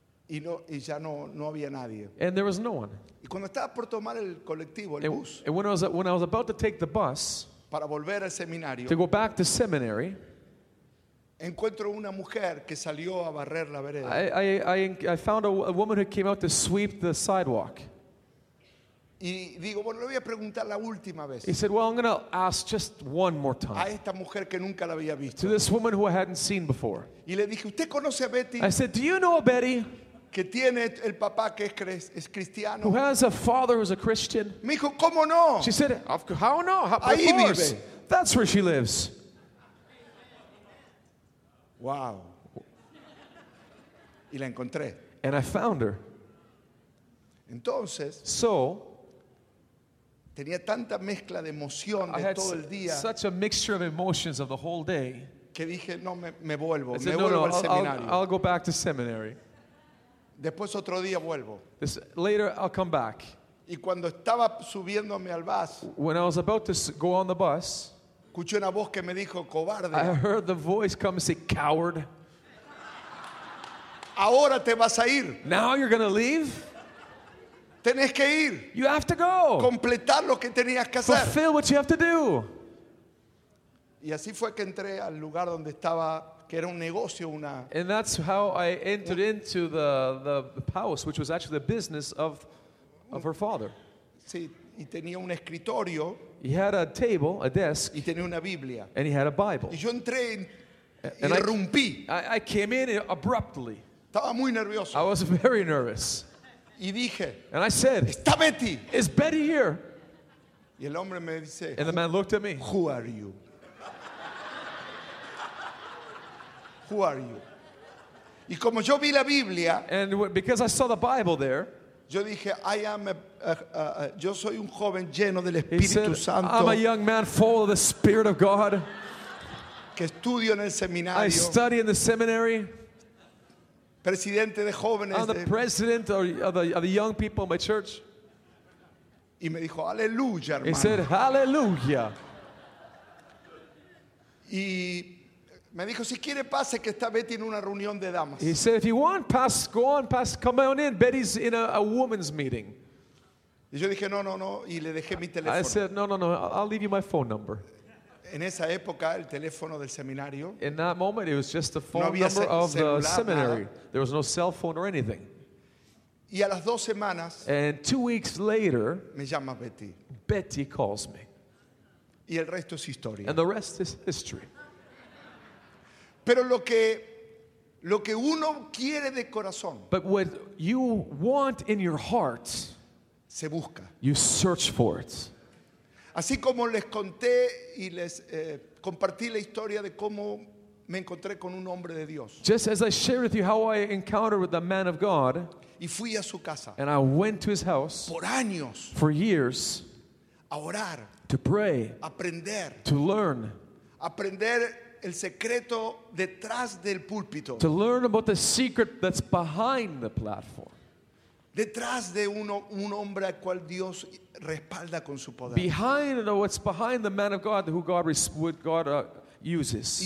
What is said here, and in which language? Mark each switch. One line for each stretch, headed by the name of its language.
Spanish: Y no, y ya no, no había nadie.
English: And there was no one.
Spanish: Y cuando estaba por tomar el colectivo, el bus,
English: and when I was about to take the bus
Spanish: para volver al seminario,
English: to go back to seminary,
Spanish: encuentro una mujer que salió a barrer la vereda.
English: I found a woman who came out to sweep the sidewalk.
Spanish: Y digo, bueno, le voy a preguntar la última vez.
English: He said, well, I'm going to ask just one more time.
Spanish: A esta mujer que nunca la había visto.
English: To this woman who I hadn't seen before.
Spanish: Y le dije, ¿usted conoce a Betty?
English: I said, do you know Betty?
Spanish: Que tiene el papá que es cristiano.
English: Who has a father who's a Christian?
Spanish: Me dijo, ¿cómo no?
English: She said, how no? How,
Spanish: ahí
English: of course.
Spanish: Vive.
English: That's where she lives. Wow.
Spanish: Y la encontré.
English: And I found her.
Spanish: Entonces,
English: so,
Spanish: tenía tanta mezcla de emoción de todo el día.
English: Such a mixture of emotions of the whole day.
Spanish: Que dije, no, me vuelvo.
English: I said,
Spanish: me vuelvo al seminario.
English: I'll go back to seminary.
Spanish: Después otro día vuelvo.
English: Later I'll come back.
Spanish: Y cuando estaba subiéndome al bus,
English: when I was about to go on the bus,
Spanish: escuché una voz que me dijo, cobarde.
English: I heard the voice come and say, coward.
Spanish: Ahora te vas a ir.
English: Now you're going to leave?
Spanish: Tenés que ir.
English: You have to go.
Spanish: Completar lo que tenías que hacer.
English: Fulfill what you have to do.
Spanish: Y así fue que entré al lugar donde estaba, que era un negocio, una,
English: and that's how I entered into the house, which was actually the business of of her father.
Spanish: Sí, y tenía un escritorio.
English: He had a table, a desk.
Spanish: Y tenía una Biblia.
English: And he had a Bible.
Spanish: Y yo entré y irrumpí.
English: I came in abruptly.
Spanish: Estaba muy nervioso.
English: I was very nervous.
Spanish: Y dije,
English: and I said,
Spanish: ¿está Betty?
English: Is Betty here?
Spanish: Y el hombre me dice,
English: and the man looked at me. Who are you? Who are you?
Spanish: Y como yo vi la Biblia,
English: and because I saw the Bible there,
Spanish: yo dije,
English: I am
Spanish: yo soy un joven lleno del Espíritu
English: said,
Spanish: Santo.
English: I'm a young man full of the Spirit of God.
Spanish: Que estudio en el seminario.
English: I study in the seminary.
Spanish: Presidente de jóvenes.
English: I'm the president of the young people in my church.
Spanish: Y me dijo, aleluya, hermano.
English: He said, hallelujah.
Spanish: Y me dijo, si quiere pase, que está Betty en una reunión de damas.
English: He said, if you want, pass, go on, pass, come on in. Betty's in a woman's meeting.
Spanish: Y yo dije, no, no, no, y le dejé mi teléfono.
English: I said, no, no, no, I'll leave you my phone number.
Spanish: En esa época, el teléfono del seminario.
English: In that moment, it was just the phone number of the seminary. There was no cell phone or anything.
Spanish: Y a las dos semanas,
English: and 2 weeks later,
Spanish: me llama Betty.
English: Betty calls me.
Spanish: Y el resto es historia.
English: And the rest is history.
Spanish: Pero lo que uno quiere de corazón,
English: but what you want in your heart,
Spanish: se busca.
English: You search for it.
Spanish: Así como les conté y les compartí la historia de cómo me encontré con un hombre de Dios.
English: Just as I shared with you how I encountered with the man of God.
Spanish: Y fui a su casa.
English: And I went to his house.
Spanish: Por años.
English: For years.
Spanish: A orar.
English: To pray.
Spanish: Aprender.
English: To learn.
Spanish: Aprender el secreto detrás del púlpito.
English: To learn about the secret that's behind the platform.
Spanish: Detrás de un hombre al cual Dios respalda con su poder.
English: Behind what's behind the man of God who God uses.